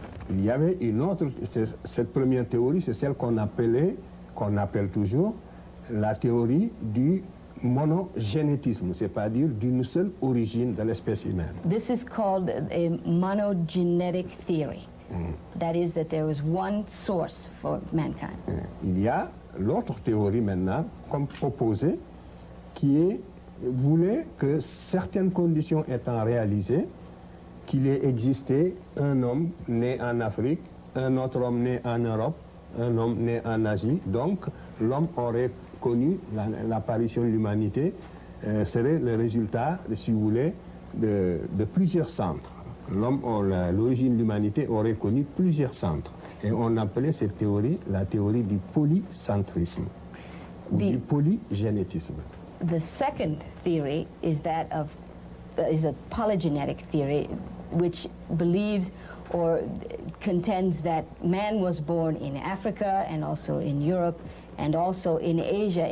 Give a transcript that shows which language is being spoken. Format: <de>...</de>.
<fr>Il y avait une autre, cette première théorie, c'est celle qu'on appelle toujours la théorie du monogénétisme, c'est-à-dire d'une seule origine de l'espèce humaine.</fr> <en>This is called a monogenetic theory. That is that there is one source for mankind.</en> <fr>Il y a l'autre théorie maintenant, comme proposée, qui est, voulait que certaines conditions étant réalisées, qu'il ait existé un homme né en Afrique, un autre homme né en Europe, un homme né en Asie. Donc, l'homme aurait connu l'apparition de l'humanité, serait le résultat, si vous voulez, de plusieurs centres. L'homme, l'origine de l'humanité aurait connu plusieurs centres. Et on appelait cette théorie la théorie du polycentrisme ou du polygénétisme.</fr> <en>The second theory is that of is a polygenetic theory, which believes or contends that man was born in Africa and also in Europe and also in Asia.</en>